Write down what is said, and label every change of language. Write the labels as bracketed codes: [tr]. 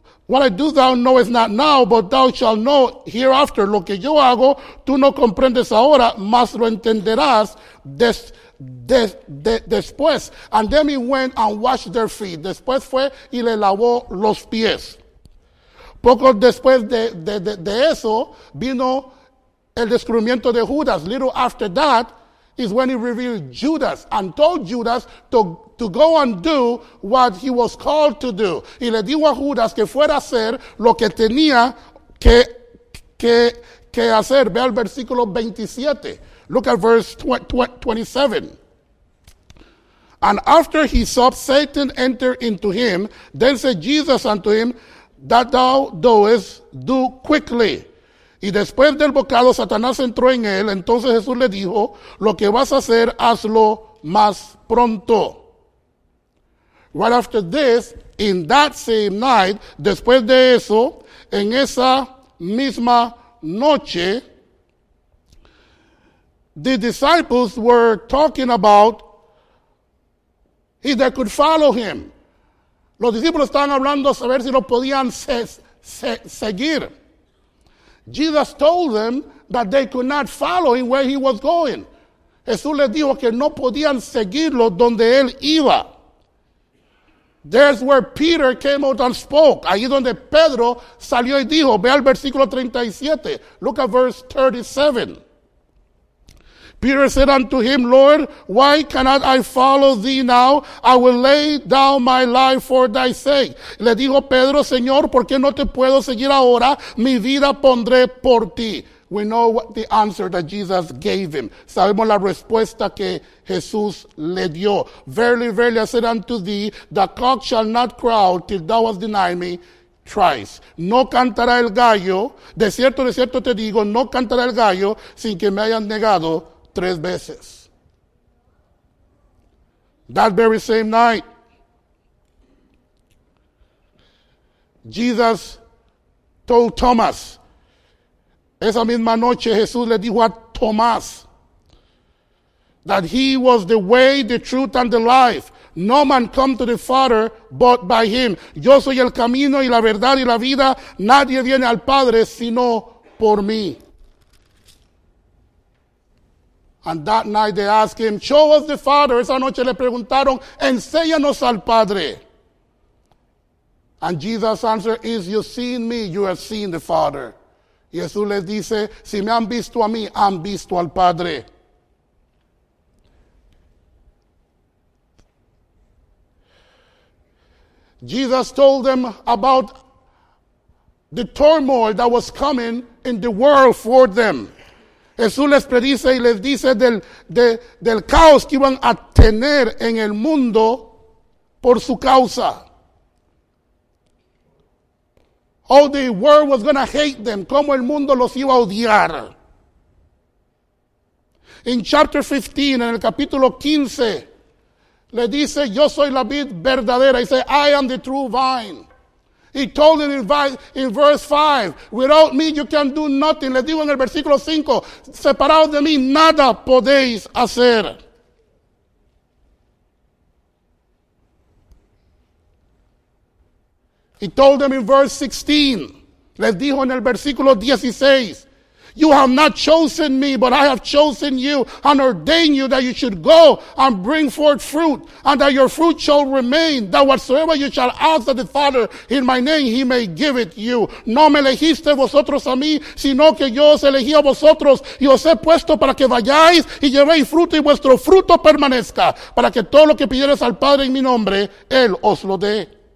[en] What I do thou knowest not now, but thou shalt know hereafter. [es] Lo que yo hago, tú no comprendes ahora, mas lo entenderás después. [en] And then he went and washed their feet. Después fue y le lavó los pies. [es] Poco después de eso, vino el descubrimiento de Judas. [en] Little after that is when he revealed Judas and told Judas to go and do what he was called to do. [es] Y le dijo a Judas que fuera a hacer lo que tenía que hacer. Ve al versículo 27. [en] Look at verse 27. And after he saw Satan enter into him, then said Jesus unto him, that thou doest, do quickly. [es] Y después del bocado, Satanás entró en él. Entonces Jesús le dijo, lo que vas a hacer, hazlo más pronto. [en] Right after this, in that same night, [es] después de eso, en esa misma noche, [en] the disciples were talking about he that could follow him. [es] Los discípulos estaban hablando a ver si lo podían seguir. [en] Jesus told them that they could not follow him where he was going. [es] Jesús les dijo que no podían seguirlo donde él iba. [en] There's where Peter came out and spoke. [es] Ahí donde Pedro salió y dijo, ve al versículo 37. [en] Look at verse 37. Peter said unto him, Lord, why cannot I follow thee now? I will lay down my life for thy sake. [es] Le dijo Pedro, Señor, ¿por qué no te puedo seguir ahora? Mi vida pondré por ti. [en] We know what the answer that Jesus gave him. [es] Sabemos la respuesta que Jesús le dio. [en] Verily, verily, I said unto thee, the cock shall not crow till thou hast denied me thrice. [es] No cantará el gallo. De cierto te digo, no cantará el gallo sin que me hayan negado tres veces. [en] That very same night, Jesus told Thomas, [es] esa misma noche Jesús le dijo a Tomás, [en] that he was the way, the truth, and the life. No man come to the Father but by him. [es] Yo soy el camino y la verdad y la vida. Nadie viene al Padre sino por mí. [en] And that night they asked him, show us the Father. [es] Esa noche le preguntaron, enséñanos al Padre. [en] And Jesus answered, is you seen me, you have seen the Father. [es] Jesús les dice, si me han visto a mí, han visto al Padre. [en] Jesus told them about the turmoil that was coming in the world for them. [es] Jesús les predice y les dice del caos que iban a tener en el mundo por su causa. [en] How the world was going to hate them. [es] Cómo el mundo los iba a odiar. [en] In chapter 15, [es] en el capítulo 15, le dice, yo soy la vid verdadera. [en] He said, I am the true vine. He told him in verse 5, without me you can do nothing. [es] Le digo en el versículo 5, separado de mí, nada podéis hacer. [en] He told them in verse 16, [es] les dijo en el versículo 16, [en] you have not chosen me, but I have chosen you and ordained you that you should go and bring forth fruit and that your fruit shall remain, that whatsoever you shall ask of the Father in my name, he may give it you. [es] No me elegiste vosotros a mí, sino que yo os elegí a vosotros y os he puesto para que vayáis y llevéis fruto y vuestro fruto permanezca, para que todo lo que pidieres al Padre en mi nombre, Él os lo dé.